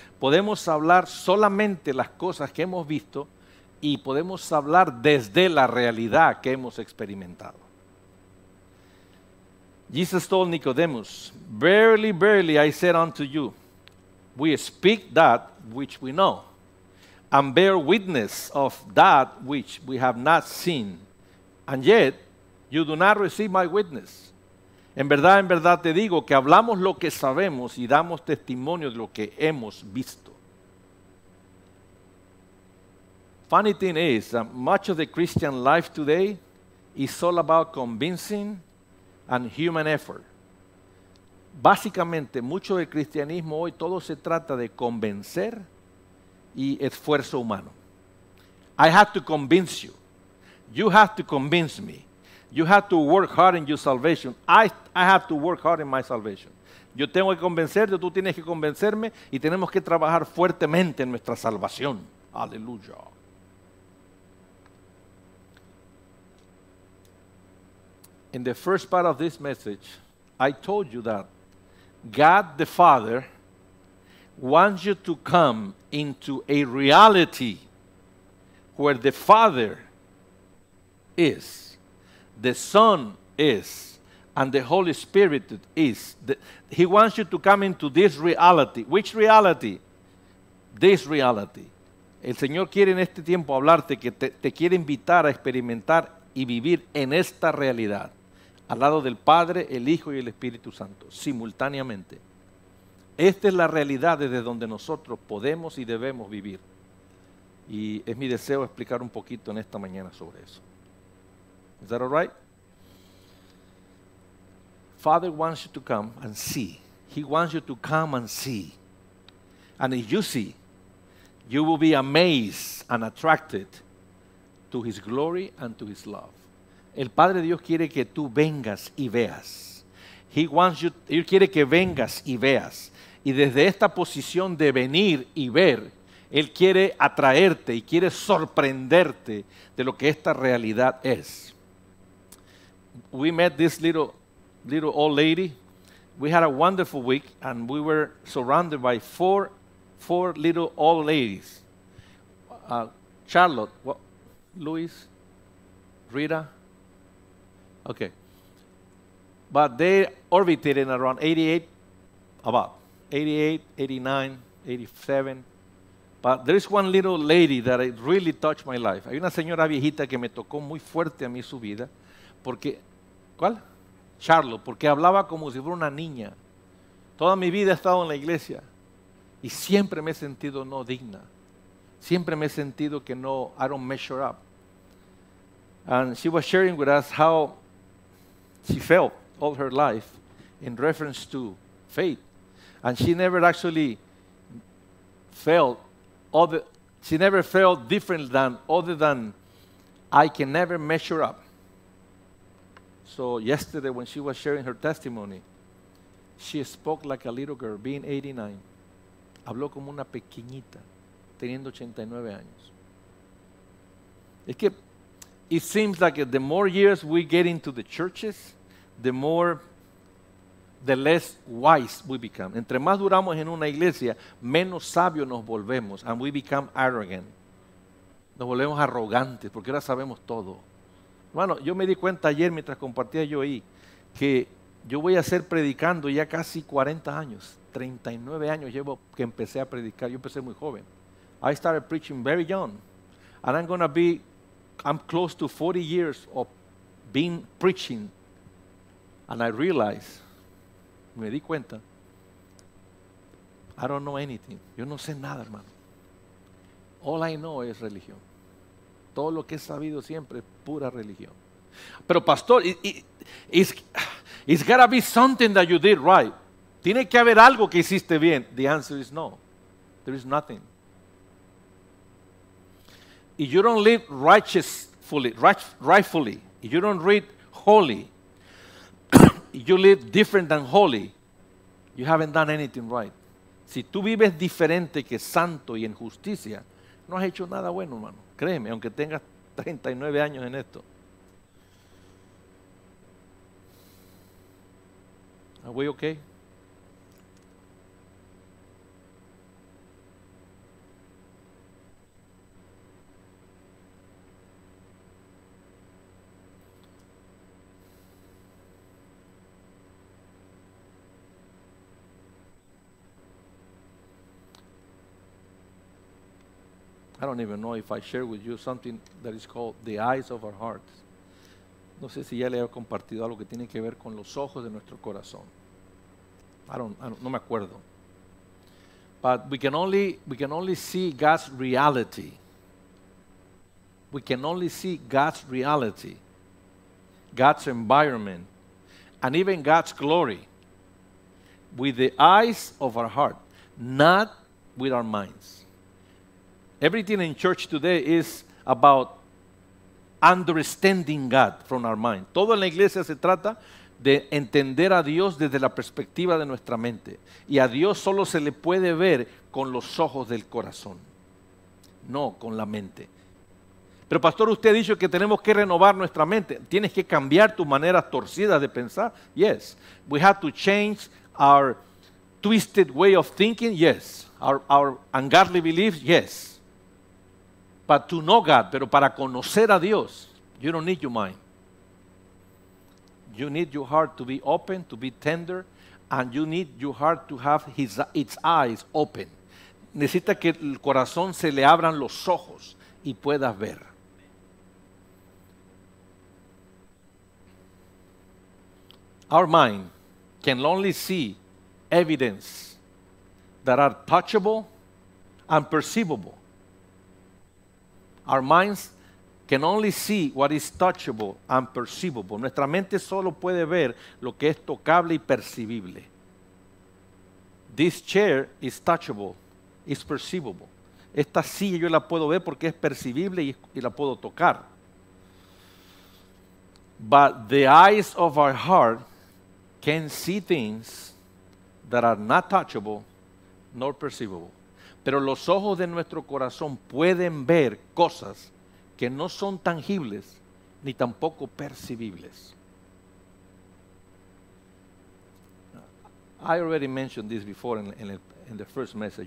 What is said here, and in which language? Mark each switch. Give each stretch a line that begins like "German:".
Spanish: Podemos hablar solamente las cosas que hemos visto y podemos hablar desde la realidad que hemos experimentado.
English: Jesus told Nicodemus, "Verily, verily, I said unto you, we speak that which we know, and bear witness of that which we have not seen. And yet, you do not receive my witness.
Spanish: En verdad te digo que hablamos lo que sabemos y damos testimonio de lo que hemos visto."
English: Funny thing is that much of the Christian life today is all about convincing and human effort.
Spanish: Básicamente, mucho del cristianismo hoy todo se trata de convencer y esfuerzo humano.
English: I have to convince you. You have to convince me. You have to work hard in your salvation. I have to work hard in my salvation.
Spanish: Yo tengo que convencerte, tú tienes que convencerme y tenemos que trabajar fuertemente en nuestra salvación. Aleluya.
English: In the first part of this message, I told you that God the Father wants you to come into a reality where the Father is, the Son is, and the Holy Spirit is. He wants you to come into this reality. Which reality? This reality.
Spanish: El Señor quiere en este tiempo hablarte, que te quiere invitar a experimentar y vivir en esta realidad, al lado del Padre, el Hijo y el Espíritu Santo, simultáneamente. Esta es la realidad desde donde nosotros podemos y debemos vivir. Y es mi deseo explicar un poquito en esta mañana sobre eso.
English: Is that all right? Father wants you to come and see. He wants you to come and see. And if you see, you will be amazed and attracted to his glory and to his love.
Spanish: El Padre Dios quiere que tú vengas y veas.
English: He wants you,
Spanish: él quiere que vengas y veas. Y desde esta posición de venir y ver, él quiere atraerte y quiere sorprenderte de lo que esta realidad es.
English: We met this little old lady. We had a wonderful week and we were surrounded by four little old ladies. Charlotte, what, Luis, Rita. Okay. But they orbited in around 88, 89, 87. But there is one little lady that it really touched my life.
Spanish: Hay una señora viejita que me tocó muy fuerte a mí su vida porque... ¿Cuál? Charlotte, porque hablaba como si fuera una niña. Toda mi vida he estado en la iglesia y siempre me he sentido no digna. Siempre me he sentido que no,
English: I don't measure up. And she was sharing with us how she felt all her life in reference to faith. And she never actually felt other, she never felt different than, other than, I can never measure up. So yesterday when she was sharing her testimony, she spoke like a little girl, being 89.
Spanish: Habló como una pequeñita, teniendo 89 años. Es que,
English: it seems like the more years we get into the churches, the more, the less wise we become.
Spanish: Entre más duramos en una iglesia, menos sabios nos volvemos,
English: and we become arrogant.
Spanish: Nos volvemos arrogantes, porque ahora sabemos todo. Bueno, yo me di cuenta ayer, mientras compartía yo ahí, que yo voy a ser predicando ya casi 40 años, 39 años llevo que empecé a predicar. Yo empecé muy joven.
English: I started preaching very young. And I'm going to be, I'm close to 40 years of being preaching. And I realized,
Spanish: me di cuenta,
English: I don't know anything.
Spanish: Yo no sé nada, hermano.
English: All I know is religion.
Spanish: Todo lo que he sabido siempre es pura religión. Pero pastor,
English: it's got to be something that you did right.
Spanish: Tiene que haber algo que hiciste bien.
English: The answer is no. There is nothing. If you don't live righteously, rightfully, if you don't read holy, if you live different than holy, you haven't done anything right.
Spanish: Si tú vives diferente que santo y en justicia, no has hecho nada bueno, hermano. Créeme, aunque tengas 39 años en esto.
English: Are we okay? I don't even know if I share with you something that is called the eyes of our hearts.
Spanish: No sé si ya le he compartido algo que tiene que ver con los ojos de nuestro corazón. No me acuerdo.
English: But we can only see God's reality. We can only see God's reality, God's environment, and even God's glory with the eyes of our heart, not with our minds. Everything in church today is about understanding God from our mind.
Spanish: Todo en la iglesia se trata de entender a Dios desde la perspectiva de nuestra mente. Y a Dios solo se le puede ver con los ojos del corazón, no con la mente. Pero pastor, usted ha dicho que tenemos que renovar nuestra mente. Tienes que cambiar tus maneras torcidas de pensar.
English: Yes, we have to change our twisted way of thinking. Yes, our ungodly beliefs. Yes. But to know God,
Spanish: pero para conocer a Dios,
English: you don't need your mind. You need your heart to be open, to be tender, and you need your heart to have its eyes open.
Spanish: Necesita que el corazón se le abran los ojos y puedas ver.
English: Our mind can only see evidence that are touchable and perceivable. Our minds can only see what is touchable and perceivable.
Spanish: Nuestra mente solo puede ver lo que es tocable y percibible.
English: This chair is touchable, it's perceivable.
Spanish: Esta silla yo la puedo ver porque es percibible y la puedo tocar.
English: But the eyes of our heart can see things that are not touchable nor perceivable.
Spanish: Pero los ojos de nuestro corazón pueden ver cosas que no son tangibles ni tampoco percibibles.
English: I already mentioned this before in the first message.